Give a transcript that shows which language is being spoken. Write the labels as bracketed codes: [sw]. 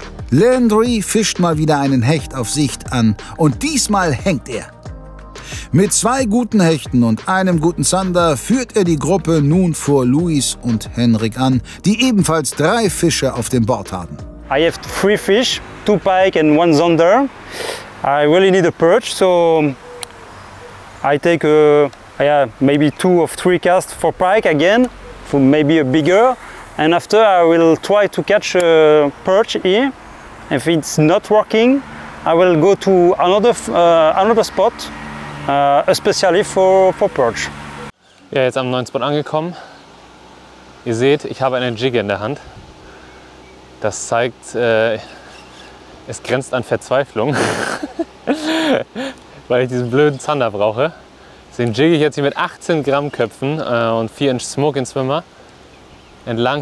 [de] Landry fischt mal wieder einen Hecht auf Sicht an und diesmal hängt er. Mit zwei guten Hechten und einem guten Zander führt er die Gruppe nun vor Luis und Henrik an, die ebenfalls drei Fische auf dem Board haben. [en] I have three fish, two pike and one zander. I really need a perch, so I take maybe two or three casts for pike again, for maybe a bigger, and after I will try to catch a perch here. If it's not working, I will go to another spot, especially for perch. [de] Ja, jetzt am neuen Spot angekommen. Ihr seht, ich habe eine Jigge in der Hand. Das zeigt, es grenzt an Verzweiflung, weil ich diesen blöden Zander brauche. Deswegen jigge ich jetzt hier mit 18 Gramm Köpfen und 4 Inch Smoke in Swimmer entlang.